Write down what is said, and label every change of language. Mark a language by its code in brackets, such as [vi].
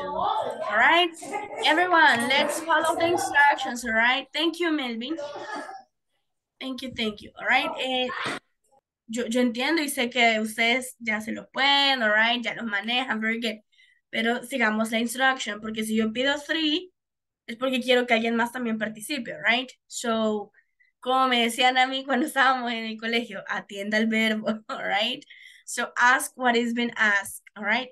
[en] All right, everyone, let's follow the instructions, all right? Thank you, Melvin. Thank you, all right? [es] Yo entiendo y sé que ustedes ya se los pueden, all right? Ya los manejan, very good. Pero sigamos la instrucción, porque si yo pido three, es porque quiero que alguien más también participe, all right? So, como me decían a mí cuando estábamos en el colegio, atienda el verbo, all right? [en] So, ask what has been asked, all right?